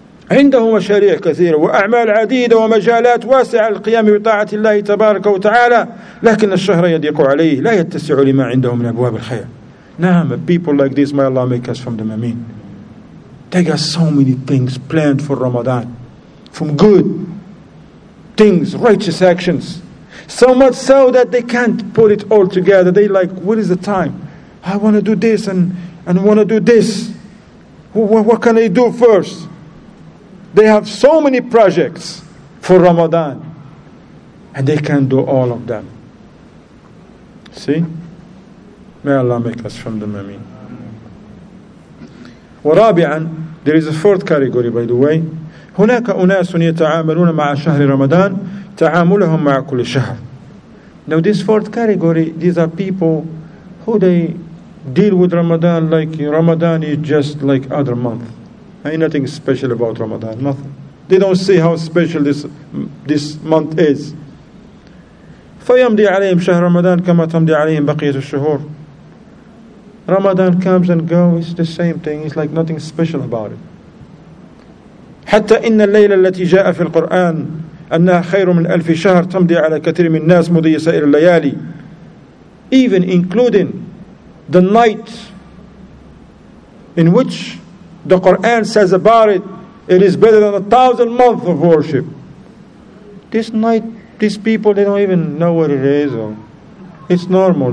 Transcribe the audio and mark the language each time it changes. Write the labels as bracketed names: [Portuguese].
[Arabic] عنده مشاريع كثيرة وأعمال عديدة ومجالات واسعة للقيام بطاعة الله تبارك وتعالى لكن الشهر يضيق عليه لا يتسع لما عنده من أبواب الخير. [English] نعم, people like this, may Allah make us from them. Ameen. They got so many things planned for Ramadan, from good things, righteous actions, so much so that they can't put it all together. They like, what is the time? I want to do this and and want to do this. What can I do first? They have so many projects for Ramadan, and they can do all of them. See? May Allah make us from the Ameen. ورابعاً, there is a fourth category, by the way. [Arabic] هناك أناس يتعاملون مع شهر رمضان تعاملهم مع كل شهر. [English] Now this fourth category, these are people who they deal with Ramadan like Ramadan is just like other month. Ain't nothing special about Ramadan, nothing. They don't see how special this month is. [Arabic] فيمضي عليهم شهر رمضان كما تمضي عليهم بقية الشهور. [English] Ramadan comes and goes, it's the same thing, it's like nothing special about it. [Arabic] حتى إن الليلة التي جاء في القرآن أنها خير من ألف شهر تمضي على كثير من الناس مضي سائر الليالي. [English] Even including the night in which the Quran says about it, it is better than 1,000 months of worship. This night, these people, they don't even know what it is. It's normal.